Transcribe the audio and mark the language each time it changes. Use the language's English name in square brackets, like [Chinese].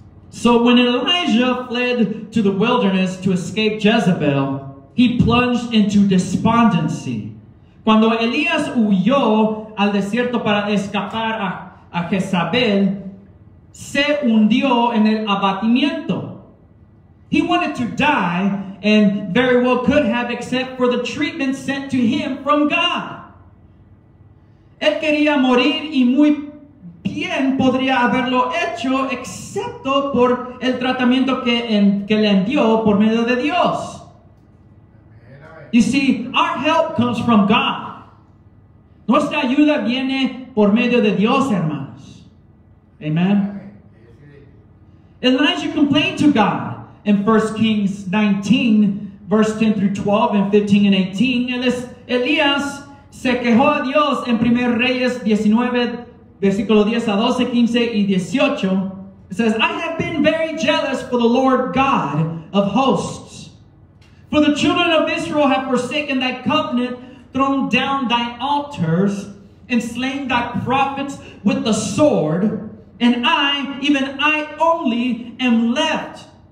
[English] So when Elijah fled to the wilderness to escape Jezebel, he plunged into despondency. [Spanish] Cuando Elías huyó al desierto para escapar a Jezabel, se hundió en el abatimiento. [English] He wanted to die and very well could have, except for the treatment sent to him from God. [Spanish] Él quería morir y muy bien podría haberlo hecho, excepto por el tratamiento que le envió por medio de Dios. [English] You see, our help comes from God. [Spanish] Nuestra ayuda viene por medio de Dios, hermanos. [English] Amen. Elijah complained to God in 1 Kings 19, verse 10 through 12 and 15 and 18. [Spanish] Elías se quejó a Dios en 1 Reyes 19, versículo 10 a 12, 15 y 18. [English] It says, I have been very jealous for the Lord God of hosts. For the children of Israel have forsaken thy covenant, thrown down thy altars, and slain thy prophets with the sword. And I, even I only, am left.